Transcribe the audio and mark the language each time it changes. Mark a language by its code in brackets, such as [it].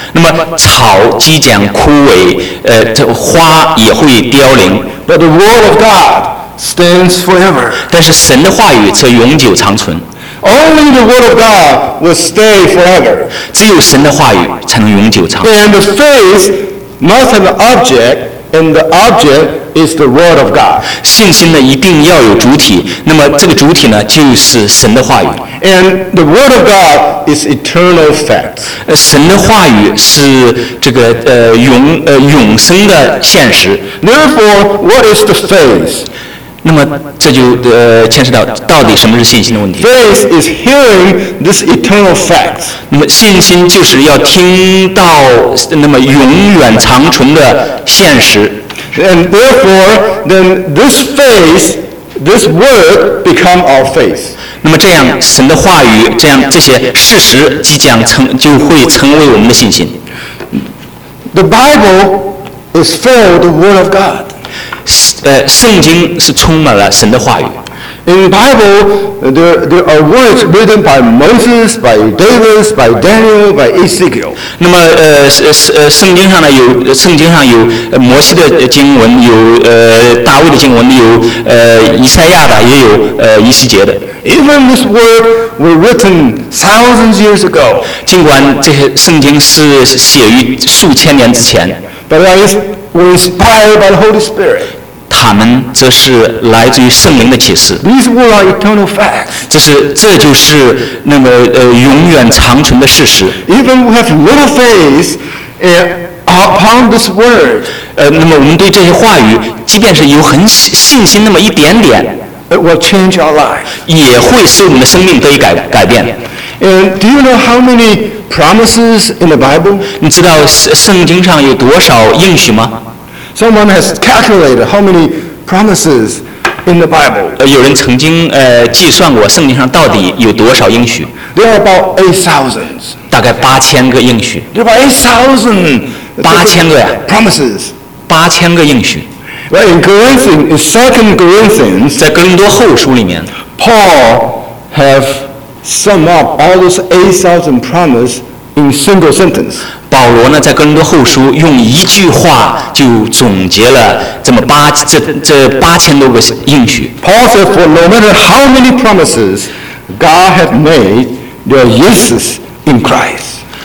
[zh] 那么草即将枯萎，花也会凋零。 [en] But the word of God stands forever. [zh] 但是神的话语则永久长存。 [en] Only the word of God will stay forever. [zh] 只有神的话语才能永久长存。 [en] And the faithMust have an object, and the object is the word of God. [zh] 信心呢一定要有主体，那么这个主体呢就是神的话语。 [en] And the word of God is eternal fact. [zh] 神的话语是这个永生的现实。 [en] Therefore, what is the faith? [zh] 那么这就牵涉到底什么是信心的问题。 [en] Faith is hearing this eternal fact. [zh] 那么信心就是要听到那么永远长存的现实。 [en] And therefore, then this faith, this word become our faith. [zh] 那么这样神的话语，这样这些事实即将就会成为我们的信心。 [en] The Bible is filled with the word of God. [zh] 圣经是充满了神的话语。 [en] In the Bible, there are words written by Moses, by David, by Daniel, by Ezekiel. [zh] 那么圣经上呢有圣经上有摩西的经文，有大卫的经文，有以赛亚的，也有以西结的。 [en] Even this word was written thousands years ago. [zh] 尽管这些圣经是写于数千年之前 [en] ，but that is were inspired by the Holy Spirit. [zh] 他们则是来自于圣灵的启示。 [en] These words are eternal facts. [zh] 这就是那么永远长存的事实。 [en] Even we have little faith upon this word. [zh] 那么我们对这些话语，即便是有很信心那么一点点 [en] ，it will change our life. [zh] 也会使我们的生命得以改变。 [en] And do you know how many? Promises in the Bible. [zh] 你知道圣经上有多少应许吗 [en] ？Someone has calculated how many promises in the Bible. [zh] 有人曾经计算过圣经上到底有多少应许 [en] ？There are about 8,000. [zh] 大概八千个应许。 [en] There are 8,000. [zh] 八千个呀 [en] ？Promises. [zh] 八千个应许。 [en] Well, in Corinthians, in Second Corinthians, [zh] 在哥林多后书里面 [en] ，Paul have.Sum up all those 8,000 promises in single sentence. [zh] 保罗呢，在哥林多后书用一句话就总结了这么八千多个应许。 [en] Paul said, for no matter how many promises God had made, there are yeses in Christ.